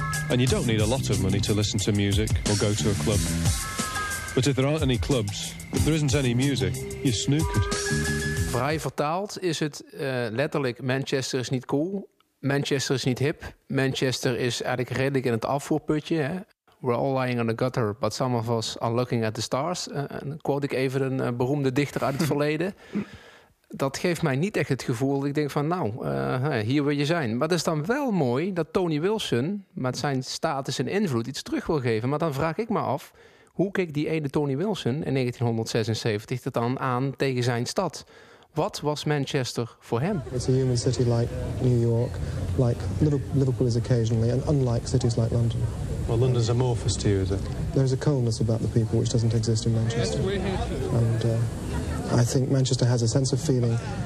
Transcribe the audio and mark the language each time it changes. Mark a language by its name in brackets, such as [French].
[English] And you don't need a lot of money to listen to music or go to a club. But if there aren't any clubs, if there isn't any music, you're snookered. [Dutch] Vrij vertaald is het letterlijk, Manchester is niet cool. Manchester is niet hip. Manchester is eigenlijk redelijk in het afvoerputje, hè? [English] We're all lying on the gutter, but some of us are looking at the stars. [Dutch] Dan quote ik even een beroemde dichter uit het verleden. Dat geeft mij niet echt het gevoel dat ik denk van, nou, hier wil je zijn. Maar het is dan wel mooi dat Tony Wilson met zijn status en invloed iets terug wil geven. Maar dan vraag ik me af, hoe keek die ene Tony Wilson in 1976 dat dan aan tegen zijn stad? Wat was Manchester voor hem? [English] It's a human city like New York, like Liverpool is occasionally, and unlike cities like London. Well, London's amorphous to you, is it? There's a coldness about the people which doesn't exist in Manchester. And I think Manchester has a sense of feeling.